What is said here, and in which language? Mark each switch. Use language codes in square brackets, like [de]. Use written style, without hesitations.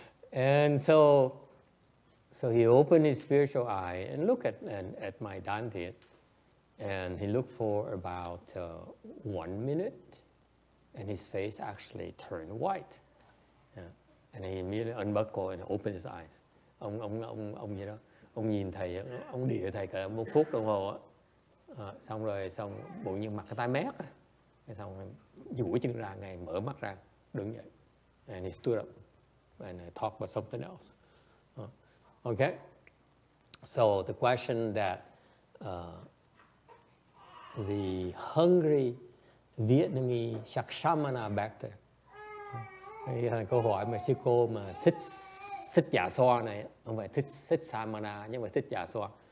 [en] And so he opened his spiritual eye and looked at my Dante, and he looked for about 1 minute, and his face actually turned white. Yeah. And he immediately unbuckled and opened his eyes. [vi] Ông gì đó, ông nhìn thầy, ông đìa thầy cả một phút đồng hồ. Xong rồi xong bộ như mặt cái tai mét, xong duỗi chân ra ngay, mở mắt ra đứng dậy. [en] And he stood up and talked about something else. Okay, so the question that the hungry Vietnamese Shakshamana back there, [vi] câu hỏi mà sư cô mà thích giả so này, không phải thích Samana nhưng mà thích giả so,